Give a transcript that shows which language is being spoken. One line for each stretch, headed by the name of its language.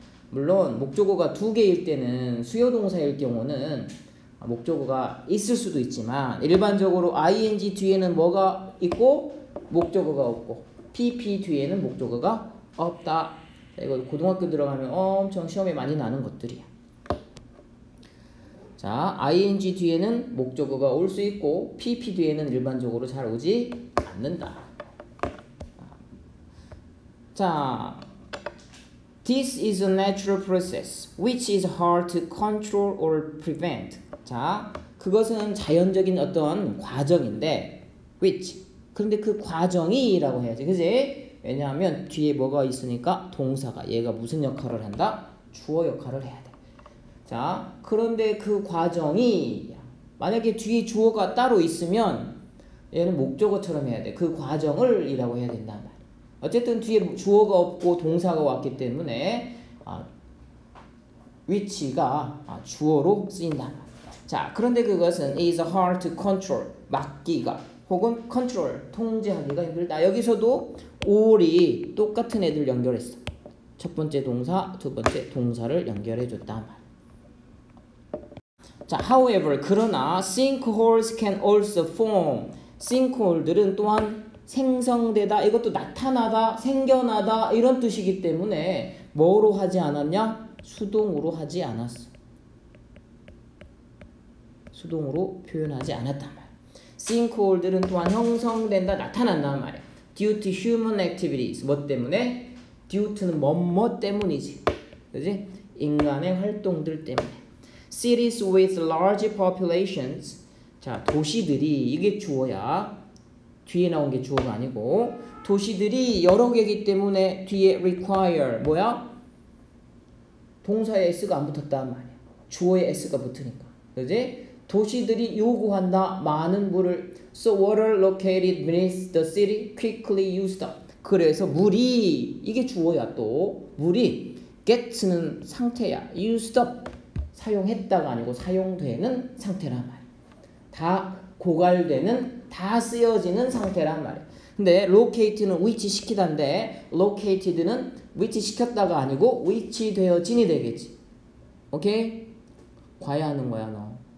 Korean: 물론 목적어가 두 개일 때는 수요동사일 경우는 목적어가 있을 수도 있지만, 일반적으로 ing 뒤에는 뭐가 있고, 목적어가 없고, pp 뒤에는 목적어가 없다. 이거 고등학교 들어가면 엄청 시험에 많이 나는 것들이야. 자, ing 뒤에는 목적어가 올수 있고, pp 뒤에는 일반적으로 잘 오지 않는다.
English: 자, this is a natural process which is hard to control or prevent.
Korean: 자, 그것은 자연적인 어떤 과정인데, which. 그런데 그 과정이라고 해야지, 그지? 왜냐하면 뒤에 뭐가 있으니까 동사가 얘가 무슨 역할을 한다? 주어 역할을 해야 돼. 자, 그런데 그 과정이 만약에 뒤에 주어가 따로 있으면 얘는 목적어처럼 해야 돼. 그 과정을 이라고 해야 된단 말이야. 어쨌든 뒤에 주어가 없고 동사가 왔기 때문에 위치가 주어로 쓰인단 말이야. 자, 그런데 그것은
English: is hard to control,
Korean: 막기가 혹은 컨트롤, 통제하기가 힘들다. 여기서도 올이 똑같은 애들 연결했어. 첫 번째 동사, 두 번째 동사를 연결해줬단 말.
English: 자, however,
Korean: 그러나
English: sinkholes can also form.
Korean: sinkhole들은 또한 생성되다, 이것도 나타나다, 생겨나다 이런 뜻이기 때문에 뭐로 하지 않았냐? 수동으로 하지 않았어. 수동으로 표현하지 않았단 말. sinkhole들은 또한 형성된다, 나타난단 말이야.
English: due to human activities.
Korean: 뭐 때문에? due to는 뭐뭐 때문이지. 그지? 인간의 활동들 때문에.
English: cities with large populations.
Korean: 자, 도시들이, 이게 주어야. 뒤에 나온 게 주어가 아니고. 도시들이 여러 개이기 때문에 뒤에 require. 뭐야? 동사에 s가 안 붙었단 말이야. 주어에 s가 붙으니까. 그지? 도시들이 요구한다. 많은 물을.
English: So water located beneath the city quickly used up.
Korean: 그래서 물이, 이게 주어야 또. 물이 get는 상태야.
English: used up.
Korean: 사용했다가 아니고 사용되는 상태란 말이야. 다 고갈되는, 다 쓰여지는 상태란 말이야. 근데 locate는 위치시키단데 located는 위치시켰다가 아니고 위치되어진이 되겠지. 오케이? 과외하는 거야 너.